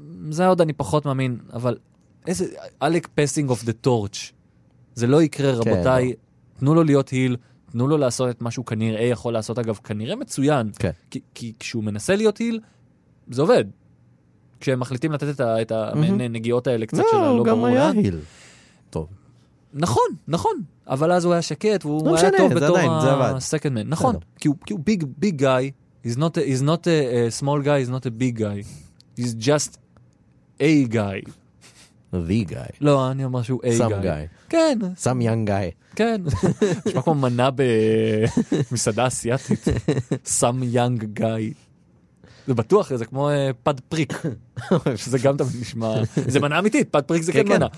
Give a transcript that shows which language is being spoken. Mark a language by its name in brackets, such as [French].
[Hebrew] זה עוד אני פחות מאמין, אבל איזה, [English] אלק פסינג אוף דה טורץ', [Hebrew] זה לא יקרה רבותיי, תנו לו להיות היל, תנו לו לעשות את מה שהוא כנראה יכול לעשות, אגב, כנראה מצוין. כן. כי כשהוא מנסה להיות היל, זה עובד. כשהם מחליטים לתת את הנגיעות האלה קצת של הלא ברור לאן. לא, הוא גם היה היל. טוב. נכון, נכון. אבל אז הוא היה שקט, והוא היה טוב בתור ה-second man. נכון. כי הוא [English] big, big guy. He's not a small guy, he's not a big guy. He's just a guy. The guy. [Hebrew] לא, אני אומר שהוא [English] a guy. Some guy. [Hebrew] כן. [English] Some young guy. [Hebrew] כן. נשמע כמו מנה במסעדה אסיאטית. [English] Some young guy. [Hebrew] זה בטוח, זה כמו פד פריק, שזה גם תמיד נשמע, זה מנה אמיתית, פד פריק זה כן מנה.